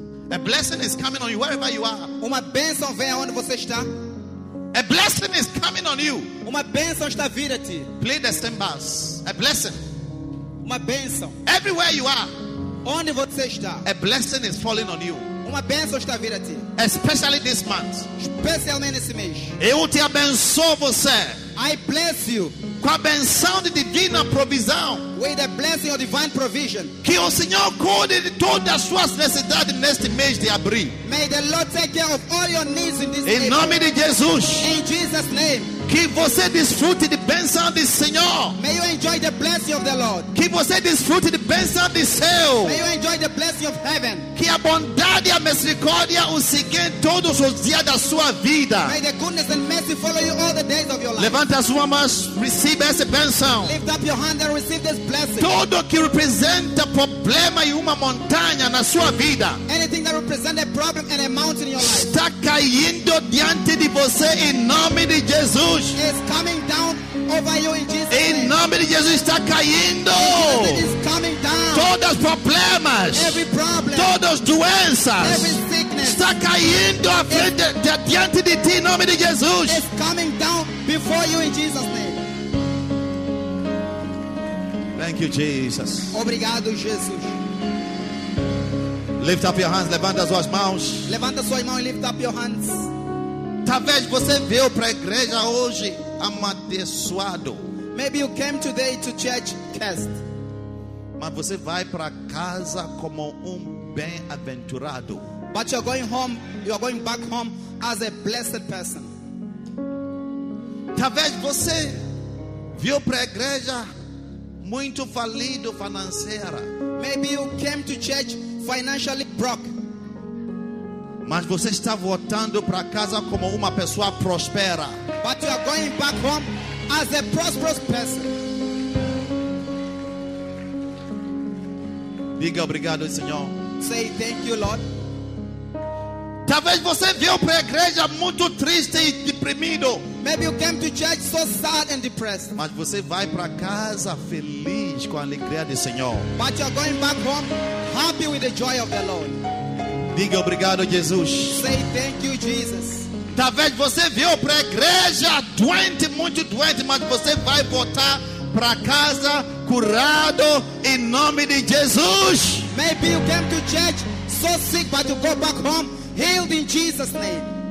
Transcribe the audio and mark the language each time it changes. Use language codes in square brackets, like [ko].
[en] A blessing is coming on you wherever you are. [pt] Uma bênção vem aonde você está. [en] A blessing is coming on you. [pt] Uma bênção está vindo a ti. [en] Play the cymbals. A blessing. [pt] Uma bênção. [en] Everywhere you are. [pt] Onde você está. [en] A blessing is falling on you. [pt] Uma bênção está vindo a ti. [en] Especially this month. [pt] Especialmente esse mês. Eu te abençoo você. [en] I bless you. [pt] Com a bênção de divina provisão. [en] With a blessing of divine provision. [pt] Que o Senhor cuide de todas as suas necessidades neste mês de abril. [en] May the Lord take care of all your needs in this [pt] em nome de Jesus. [en] In Jesus' name. [pt] Que você desfrute de bênção do Senhor. [en] May you enjoy the blessing of the Lord. [pt] Que você desfrute de bênção do céu. [en] May you enjoy the blessing of heaven. [pt] Que a bondade e a misericórdia o sigam todos os dias da sua vida. [en] May the goodness and mercy follow you all the days of your life. [pt] Levanta as mãos, receba essa bênção. [en] Lift up your hand and receive this blessing. [pt] Tudo que representa problema e uma montanha na sua vida. [en] Anything that represents a problem and a mountain in your life. [pt] Está caindo diante de você em nome de Jesus. [en] Is coming down over you in Jesus' name. [pt] Em nome de Jesus está caindo. [en] Is coming down. [pt] Todos os problemas. [en] Every problem. [pt] Todas as doenças. [en] Every sickness. [pt] Está caindo a frente de diante de ti em nome de Jesus. [en] Is coming down before you in Jesus' name. Thank you, Jesus. [pt] Obrigado, Jesus. [en] Lift up your hands. [pt] Levanta suas mãos. Levanta sua mão e [en] lift up your hands. [pt] Talvez você veio para a igreja hoje amaldiçoado. [en] Maybe you came today to church cursed. [pt] Mas você vai para casa como bem-aventurado. [en] But you're going home, you're going back home as a blessed person. [pt] Talvez você veio para a igreja muito falido financeira. [en] Maybe you came to church financially broke. [pt] Mas você está voltando para casa como uma pessoa próspera. [en] But you are going back home as a prosperous person. [pt] Diga obrigado, Senhor. [en] Say thank you, Lord. [pt] Talvez você veio para a igreja muito triste e deprimido. [en] Maybe you came to church so sad and depressed. [pt] Mas você vai para casa feliz com a alegria do Senhor. [en] But you are going back home happy with the joy of the Lord. [pt] Diga obrigado, Jesus. [en] Say thank you, Jesus. [pt] Talvez você veio para a igreja doente, muito doente, mas você vai voltar para casa curado em nome de Jesus. [en] Maybe you came to church so sick, but you go back home healed in Jesus' name.